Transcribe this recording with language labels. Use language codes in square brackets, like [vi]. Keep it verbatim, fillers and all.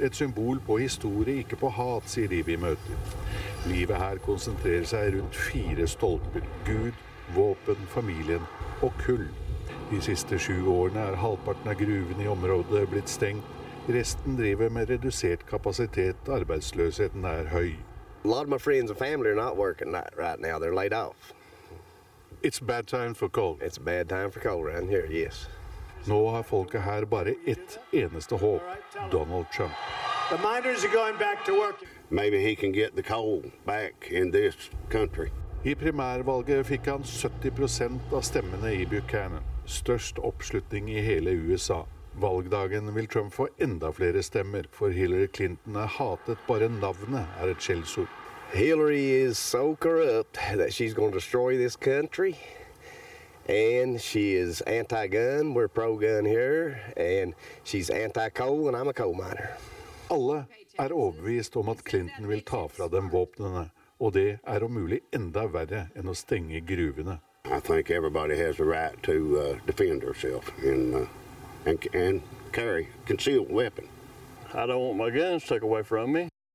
[no] Et symbol på historie, ikke på hat, sier de vi møter. Livet her konsentrerer seg rundt fire stolper. Gud, våpen, familien og kull. De siste sju årene er halvparten av gruvene i området blitt stengt. Resten driver med redusert kapasitet. Arbeidsløsheten er høy. [en] A lot of my friends and family are not working right now. They're laid off. It's a bad time for coal. It's a bad time for coal around here, yes. [no] Nå har folket her bare ett eneste håp. Donald Trump. [en] The miners are going back to work. Maybe he can get the coal back in this country. [no] I primærvalget fikk han sytti prosent av stemmene i Buchanan. Størst oppslutning i hele U S A. Valgdagen vil Trump få enda flere stemmer, for Hillary Clinton er hatet, bare navnet er et skjellsord. [en] Hillary is so corrupt that she's going to destroy this country, and she is anti-gun, we're pro-gun here, and she's anti-coal, and I'm a coal miner. [no] Alle er overbevist om at Clinton vil ta fra dem våpnene, og det er om mulig enda verre enn å stenge gruvene. [en] I think everybody has the right to uh, defend herself in uh... And, and carry concealed weapon. I don't want my guns taken away from me.